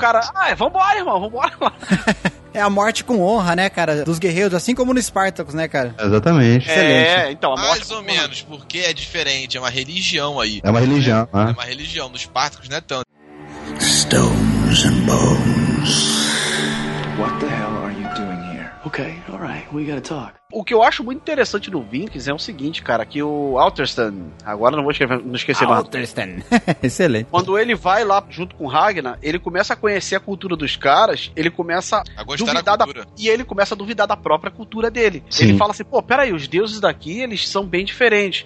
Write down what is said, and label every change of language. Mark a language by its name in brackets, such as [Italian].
[Portuguese] Cara, vambora, irmão, vambora. É a morte com honra, né, cara? Dos guerreiros, assim como no Spartacus, né, cara? Exatamente. Excelente. É, então, a morte... Mais ou menos, porque é diferente, é uma religião aí. É uma religião, né? É uma religião, no Spartacus não é tanto. [English] Stones and bones. What the hell are you doing here? Okay, alright, we gotta talk. [Portuguese] O que eu acho muito interessante do Vinks é o seguinte, cara, que o Altersten, agora não vou escrever, não esquecer mais. Altersten. Excelente. Quando ele vai lá junto com o Ragnar, ele começa a conhecer a cultura dos caras, ele começa a gostar duvidar da cultura. E ele começa a duvidar da própria cultura dele. Sim. Ele fala assim, pô, peraí, os deuses daqui, eles são bem diferentes.